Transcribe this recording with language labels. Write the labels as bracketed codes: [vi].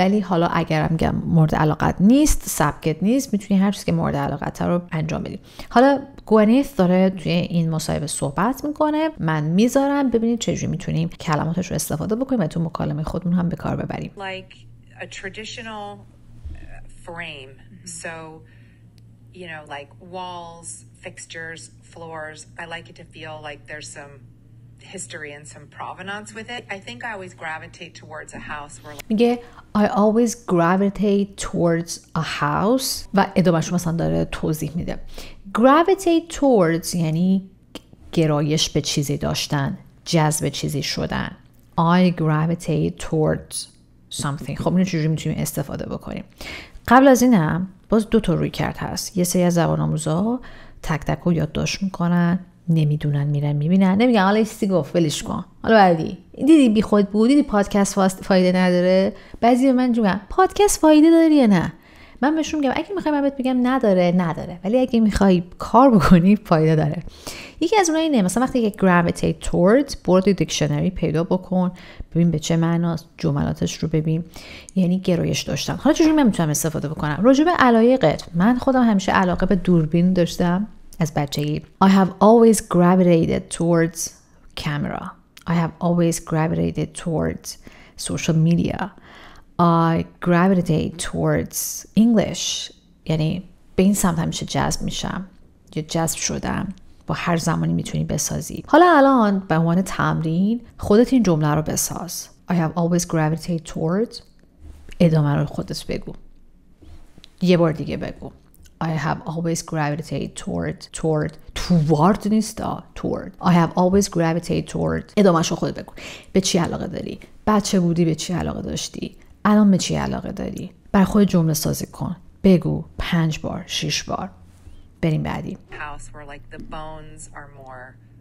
[fa] ولی حالا اگرم میگم مورد علاقت نیست، سبکت نیست، میتونی هر چیزی که مورد علاقت رو انجام بدی. حالا گونث داره توی این مصاحبه صحبت میکنه، من میذارم ببینید چجوری میتونیم کلماتش رو استفاده بکنیم و تو مکالمه خودمون هم به کار ببریم. [en] Like a traditional frame. So you know, like walls, fixtures, floors. I like it to feel like there's some history and some provenance with it. I think I always gravitate towards a house where [fa] میگه [en] I always gravitate towards a house [fa] و ادامهش مثلا داره توضیح میده. Gravitate towards یعنی گرایش به چیزی داشتن، جذب چیزی شدن. [en] I gravitate towards something. [fa] خب اینو چجوری میتونیم استفاده بکنیم؟ قبل از اینم باز دو تا روی کرد هست. یه سری از زبان آموزا تک تک رو یاد داشت میکنن، نمیدونن، میرن میبینن، نمیگن حالا ایستی گفت ولش کن حالا بعدی، دیدی بی خود بودی، دیدی پادکست فایده نداره. بعضی به من میگن پادکست فایده داری یا نه، من بهشون میگم اگه میخوای من بهت بگم نداره، ولی اگه میخوای کار بکنی فایده داره. یکی از اونها اینه، مثلا وقتی که gravitate towards، برو تو دیکشنری پیدا بکن ببین به چه معناست، جملاتش رو ببین یعنی گرایش داشتن. حالا چجوری من میتونم استفاده بکنم؟ راجع به علایقت، من خودم همیشه علاقه به دوربین داشتم از بچگی. [en] I have always gravitated towards camera. I have always gravitated towards social media. I gravitate towards English. [fa] یعنی به این سمت همیشه جذب میشم یا جذب شدم. با هر زمانی میتونی بسازی. حالا الان به عنوان تمرین خودت این جمله رو بساز. [en] I have always gravitated towards. [fa] ادامه رو خودت بگو. یه بار دیگه بگو. [en] I have always gravitated toward. Toward [fa] نیست [en] toward. I have always gravitated toward. [fa] ادامه شو خودت بگو. به چی علاقه داری؟ بچه بودی به چی علاقه داشتی؟ الان به چی علاقه داری؟ بر خود جمله سازی کن. بگو 5 بار، 6 بار. بریم بعدی. [en] House where like the bones are more